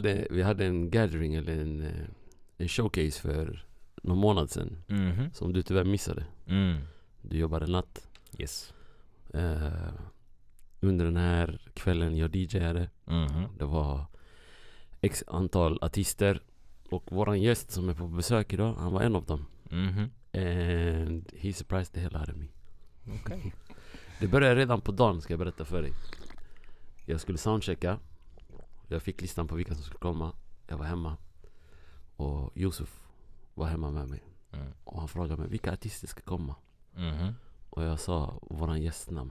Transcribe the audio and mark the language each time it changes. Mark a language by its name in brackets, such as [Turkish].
[Swedish] Vi hade en gathering eller en showcase för någon månad sedan som du tyvärr missade. Du jobbade en natt. [English] Yes. [Swedish] Under den här kvällen jag DJade. Det var x antal artister. Och våran gäst som är på besök idag, han var en av dem. [English] And he surprised the hell out of me. Okay. [Swedish] Det började redan på dagen, ska jag berätta för dig. Jag skulle soundchecka. Jag fick listan på vilka som skulle komma. Jag var hemma. Och Josef var hemma med mig. Och han frågade mig, vilka artister ska komma? Och jag sa våran gästnamn.